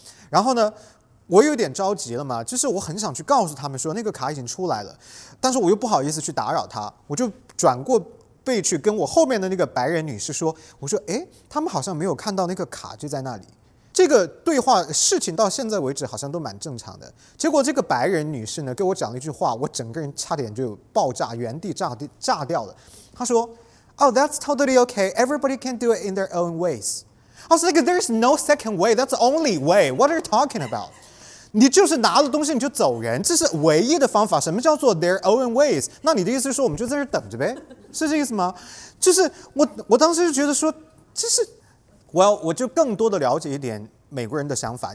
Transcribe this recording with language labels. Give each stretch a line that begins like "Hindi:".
Chinese: 然后呢我有点着急了嘛，就是我很想去告诉他们说那个卡已经出来了，但是我又不好意思去打扰他，我就转过背去跟我后面的那个白人女士说，我说哎，他们好像没有看到那个卡就在那里。这个对话事情到现在为止好像都蛮正常的，结果这个白人女士呢给我讲了一句话，我整个人差点就爆炸，原地炸掉了。她说
English: Oh, that's totally okay. Everybody can do it in their own ways. I was like, there's no second way. That's the only way. What are you talking about?
Chinese: 你就是拿了东西你就走人，这是唯一的方法。什么叫做
English: their own ways？
Chinese: 那你的意思是说我们就在这等着呗，是这意思吗？就是我当时就觉得说，这是 well， 我就更多的了解一点美国人的想法。